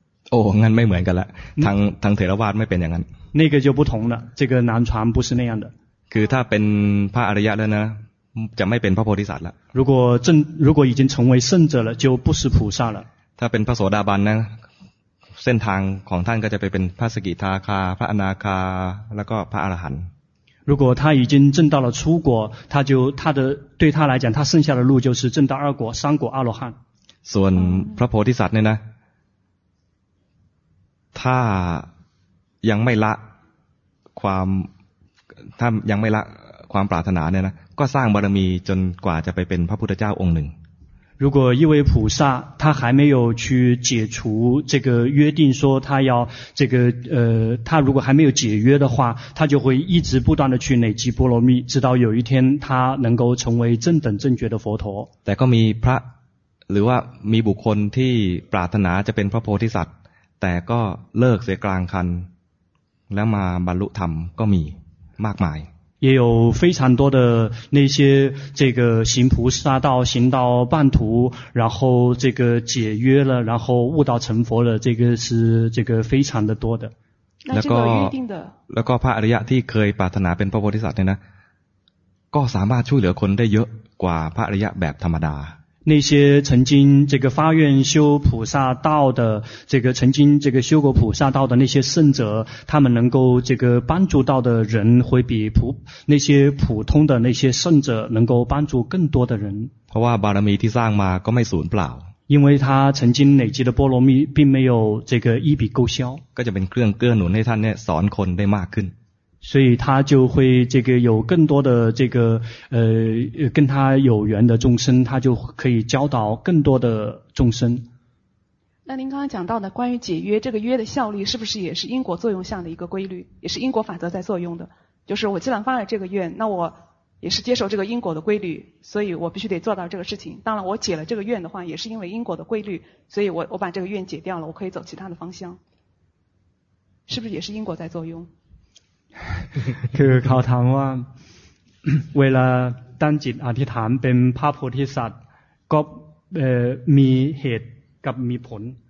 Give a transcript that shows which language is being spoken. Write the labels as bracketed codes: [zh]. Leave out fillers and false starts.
[th] โอ้งั้นไม่เหมือนกันละทางเถรวาทไม่เป็นอย่างนั้น [zh] 那个就不同了这个南传不是那样的 [th] คือถ้าเป็นพระอริยะแล้วนะจะไม่เป็นพระโพธิสัตว์ละ [zh] 如果已经成为圣者了就不是菩萨了 [th] ถ้าเป็นพระโสดาบันนะเส้นทางของท่านก็จะไปเป็นพระสกิทาคาพระอนาคาแล้วก็พระอรหันต์ [zh] 如果他已经证到了初果，他就他的对他来讲，他剩下的路就是证到二果、三果、阿罗汉。 [th] ส่วนพระโพธิสัตว์เนี่ยนะถ้ายังไม่ละความถ้ายังไม่ละความปรารถนาเนี่ยนะก็สร้างบารมีจนกว่าจะไปเป็นพระพุทธเจ้าองค์หนึ่ง [zh] 如果一位菩萨他还没有去解除这个约定说他要这个他如果还没有解约的话他就会一直不断的去累积波罗蜜直到有一天他能够成为正等正觉的佛陀 [th] แต่ก็มีพระหรือว่ามีบุคคลที่ปรารถนาจะเป็นพระโพธิสัตว์แต่ก็เลิกเสียกลางคันแล้วมาบรรลุธรรมก็มีมากมาย [zh] 也有非常多的那些这个行菩萨道行到半途然后这个解约了然后悟道成佛了这个是这个非常的多的那这个约定的 [th] แล้วก็พระอริยะที่เคยปรารถนาเป็นพระโพธิสัตว์เนี่ยนะก็สามารถช่วยเหลือคนได้เยอะกว่าพระอริยะแบบธรรมดา [zh] 那些曾经这个发愿修菩萨道的这个曾经这个修过菩萨道的那些圣者他们能够这个帮助到的人会比那些普通的那些圣者能够帮助更多的人 [th] เพราะว่าบารมีที่สร้างมาก็ไม่สูญเปล่า [zh] 因为他曾经累积的波罗蜜并没有这个一笔勾销 [th] ก็จะเป็นเครื่องเกื้อหนุนให้ท่านเนี่ยสอนคนได้มากขึ้น [zh] 所以他就会这个有更多的这个跟他有缘的众生他就可以教导更多的众生那您刚刚讲到的关于解约这个约的效力是不是也是因果作用下的一个规律也是因果法则在作用的就是我既然发了这个愿那我也是接受这个因果的规律所以我必须得做到这个事情当然我解了这个愿的话也是因为因果的规律所以我把这个愿解掉了我可以走其他的方向是不是也是因果在作用 [th] คือเขาถามว่าเวลาตั้งจิตอธิษฐานเป็นพระโพธิสัตว์ก็มีเหตุกับมีผล